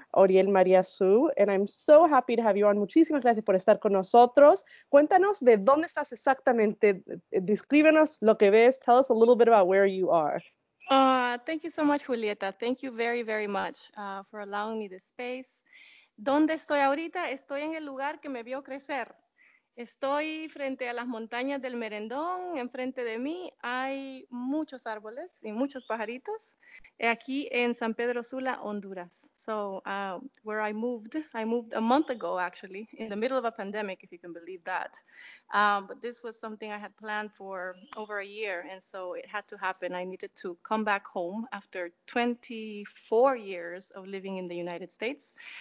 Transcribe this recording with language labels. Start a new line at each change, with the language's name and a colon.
English: Oriel Maria Siu. And I'm so happy to have you on.
Spanish: Muchísimas gracias por estar con nosotros. Cuéntanos de dónde estás exactamente. Descríbenos lo que ves.
English: Tell us a little bit about where you are. Thank you so much, Julieta. Thank you very, very much for allowing me the space.
Spanish: ¿Dónde estoy ahorita? Estoy en el lugar que me vio crecer. Estoy frente a las montañas del Merendón. Enfrente de mí hay muchos árboles y muchos pajaritos. Aquí en San Pedro Sula, Honduras.
English: So, where I moved a month ago, actually, in the middle of a pandemic, if you can believe that. But this was something I had planned for over a year, and so it had to happen. I needed to come back home after 24 years of living in the United States.